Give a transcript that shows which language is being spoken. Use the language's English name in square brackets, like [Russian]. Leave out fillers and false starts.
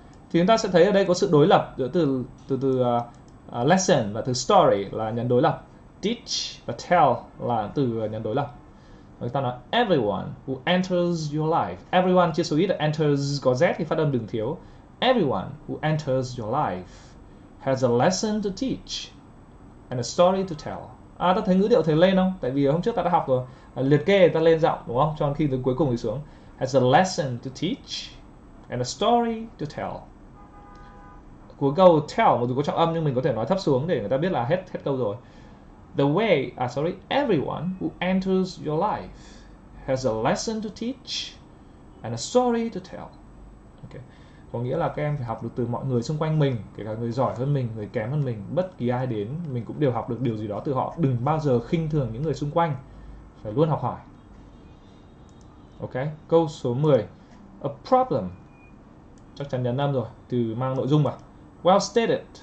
[Vietnamese] Thì chúng ta sẽ thấy ở đây có sự đối lập giữa từ từ từ lesson và từ story là nhấn đối lập. Teach và tell là từ nhấn đối lập. Người ta nói [English] everyone who enters your life. [Vietnamese] Everyone chia số ít là enters có z thì phát âm đừng thiếu. [English] Everyone who enters your life has a lesson to teach and a story to tell. [Vietnamese] À, ta thấy ngữ điệu thầy lên không? Tại vì hôm trước ta đã học rồi. À, liệt kê ta lên giọng đúng không? Cho khi đến cuối cùng thì xuống. [English] Has a lesson to teach and a story to tell. [Vietnamese] Cuối câu tell mặc dù có trọng âm nhưng mình có thể nói thấp xuống để người ta biết là hết hết câu rồi. [English] The way, sorry, everyone who enters your life has a lesson to teach and a story to tell. Okay. [Vietnamese] Có nghĩa là các em phải học được từ mọi người xung quanh mình, kể cả người giỏi hơn mình, người kém hơn mình, bất kỳ ai đến, mình cũng đều học được điều gì đó từ họ. Đừng bao giờ khinh thường những người xung quanh, phải luôn học hỏi. Ok, câu số 10. [English] A problem. [Vietnamese] Chắc chắn nhấn âm rồi, từ mang nội dung mà. [English] Well stated.